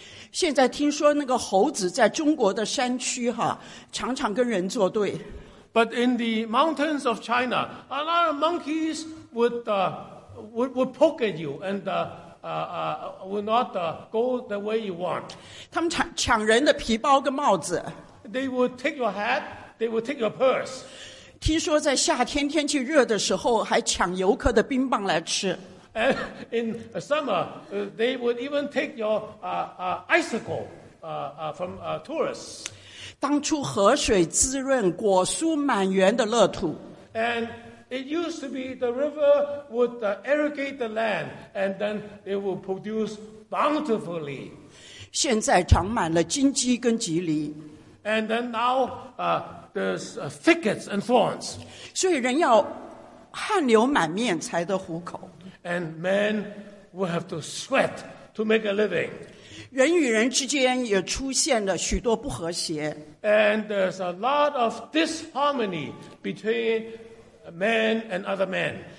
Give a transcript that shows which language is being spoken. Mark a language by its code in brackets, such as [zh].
[zh] 现在听说那个猴子在中国的山区常常跟人作对。 [en] But in the mountains of China, a lot of monkeys would poke at you and would not go the way you want. [zh] 他们抢人的皮包跟帽子。 [en] They would take your hat, they would take your purse. [zh] 听说在夏天天气热的时候还抢游客的冰棒来吃。 [en] And in summer, they would even take your icicle from tourists. [zh] 当初河水滋润，果蔬满园的乐土。 [en] And it used to be the river would irrigate the land, and then it would produce bountifully. [zh] 现在长满了荆棘跟蒺藜。 [en] And then now there's thickets and thorns. [zh] 所以人要汗流满面才得糊口。 [en] And men will have to sweat to make a living. [zh] 人与人之间也出现了许多不和谐。 [en] And there's a lot of disharmony between men and other men.